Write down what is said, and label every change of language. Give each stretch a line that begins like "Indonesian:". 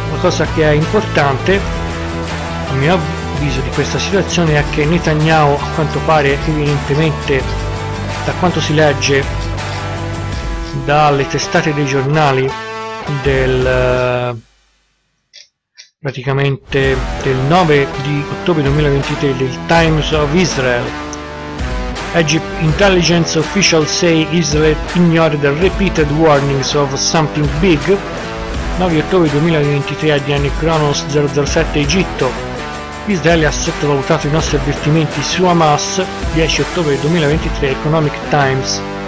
Italian: La cosa che è importante a mio avviso di questa situazione è che Netanyahu, a quanto pare, evidentemente, da quanto si legge dalle testate dei giornali del praticamente del 9 di ottobre 2023 del Times of Israel.
English: Egypt intelligence officials say Israel ignored the repeated warnings of something big.
Italian: 9 ottobre 2023 a Diane Kronos 007 Egitto. Israele ha sottovalutato i nostri avvertimenti su Hamas. 10 ottobre 2023 Economic Times.